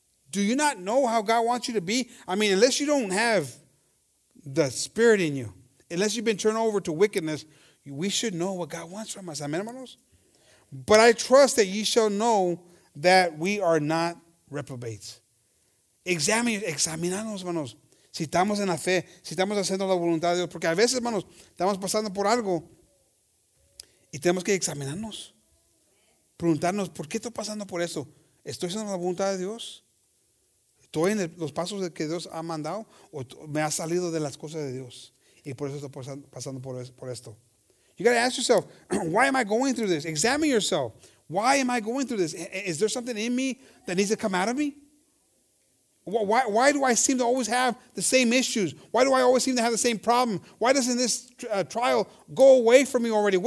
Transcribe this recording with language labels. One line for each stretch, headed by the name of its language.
English: Do you not know how God wants you to be? Unless you don't have the Spirit in you, unless you've been turned over to wickedness, we should know what God wants from us. Amen, hermanos? But I trust that ye shall know that we are not reprobates.
Spanish: Examinarnos, hermanos. Si estamos en la fe, si estamos haciendo la voluntad de Dios. Porque a veces, hermanos, estamos pasando por algo y tenemos que examinarnos. Preguntarnos, ¿por qué estoy pasando por esto? ¿Estoy haciendo la voluntad de Dios? ¿Estoy en los pasos que Dios ha mandado? ¿O me ha salido de las cosas de Dios? Y por eso estoy pasando por esto.
English: You got to ask yourself, why am I going through this? Examine yourself. Why am I going through this? Is there something in me that needs to come out of me? Why do I seem to always have the same issues? Why do I always seem to have the same problem? Why doesn't this trial go away from me already?